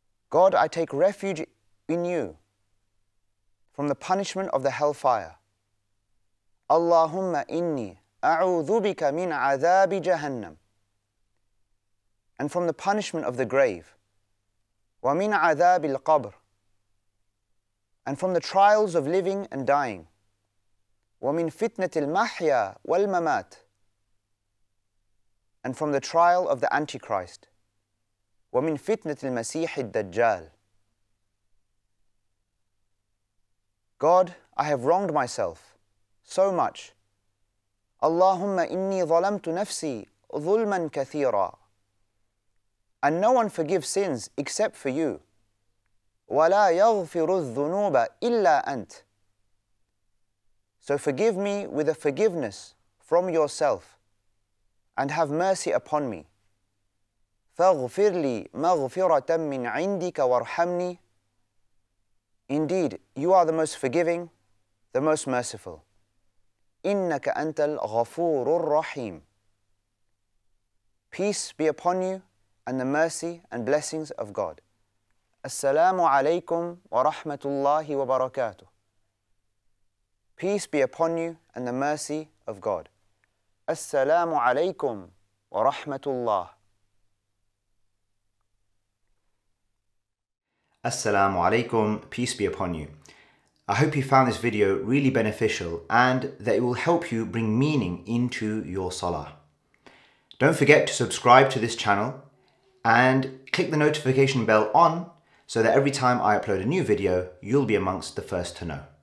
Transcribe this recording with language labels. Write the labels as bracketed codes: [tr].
[en] God, I take refuge in you from the punishment of the hellfire. [ar] Allahumma inni أعوذ بك من عذاب جهنم. [en] And from the punishment of the grave. [ar] ومن عذاب القبر. [en] And from the trials of living and dying. [ar] ومن فتنة المحيا والممات. [en] And from the trial of the Antichrist. [ar] ومن فتنة المسيح الدجال. [en] God, I have wronged myself so much. [ar] اللهم إني ظلمت نفسي ظلما كثيرا. [en] And no one forgives sins except for you. [ar] ولا يغفر الذنوب إلا أنت. [en] So forgive me with a forgiveness from yourself and have mercy upon me. [ar] فاغفر لي مغفرة من عندك وارحمني. [en] Indeed, you are the most forgiving, the most merciful. [ar] إنك أنت الغفور الرحيم. [en] Peace be upon you and the mercy and blessings of God. [ar] السلام عليكم ورحمة الله وبركاته. [en] Peace be upon you and the mercy of God. [ar] السلام عليكم ورحمة الله. [en] السلام عليكم, peace be upon you. I hope you found this video really beneficial and that it will help you bring meaning into your salah. Don't forget to subscribe to this channel and click the notification bell on so that every time I upload a new video, you'll be amongst the first to know.